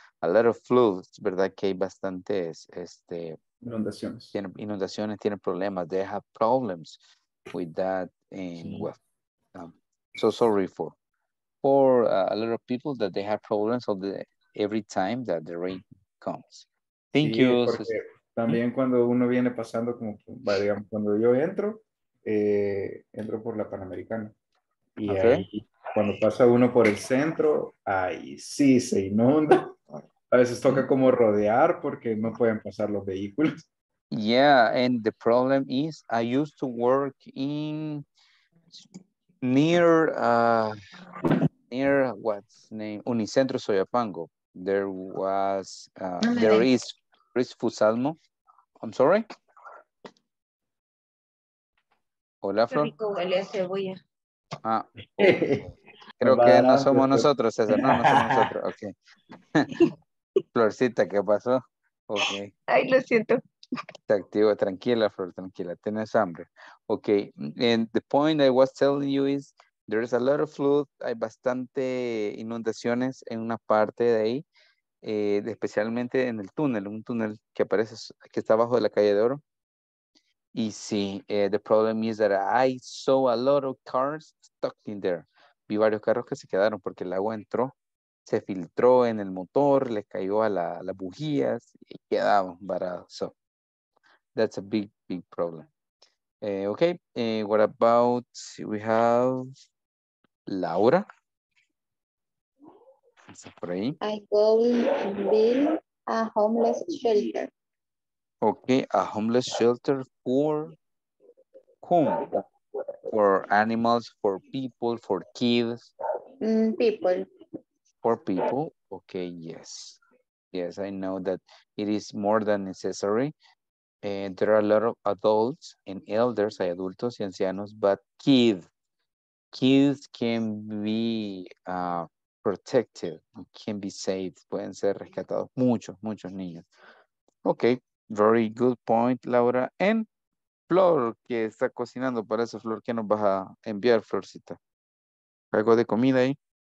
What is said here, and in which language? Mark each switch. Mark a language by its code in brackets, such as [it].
[en] A lot of floods, [es] ¿verdad? Que hay bastantes, inundaciones. Tiene, inundaciones, tienen problemas. [en] They have problems with that. And, sí. Well, so sorry for a lot of people that they have problems of the, every time that the rain comes. Thank [es] sí, [en] you. [es] También cuando uno viene pasando, como digamos, cuando yo entro, entro por la Panamericana. Y okay. ahí, cuando pasa uno por el centro, ahí sí se inunda. A veces toca como rodear porque no pueden pasar los vehículos. [en] Yeah, and the problem is, I used to work in near, near what's name? Unicentro Soyapango. There was, there is Fusalmo. I'm sorry. [es] Hola, Flor. Creo que no somos nosotros, César. No, no somos nosotros. Ok. Florcita, ¿qué pasó? Ok. Ay, lo siento. Te activo. Tranquila, Flor, tranquila. Tienes hambre. Ok. [en] And the point I was telling you is there is a lot of flood. [es] Hay bastante inundaciones en una parte de ahí. Especialmente en el túnel, un túnel que aparece, que está bajo de la calle de Oro. Y sí, [en] the problem is that I saw a lot of cars stuck in there. [es] Vi varios carros que se quedaron porque el agua entró, se filtró en el motor, le cayó a las bujías y quedaron varados. [en] So, that's a big, big problem. Okay, what about, we have Laura. I go build a homeless shelter. Okay, a homeless shelter for whom? For animals, for people, for kids? People. For people? Okay, yes. Yes, I know that it is more than necessary. There are a lot of adults and elders, [es] hay adultos y ancianos, [en] but kids. Kids can be... protected, can be saved, [es] pueden ser rescatados, muchos, muchos niños. [en] Ok, very good point, Laura. [es] And Flor, que está cocinando, para eso, Flor, ¿qué nos vas a enviar, Florcita? ¿Algo de comida ahí?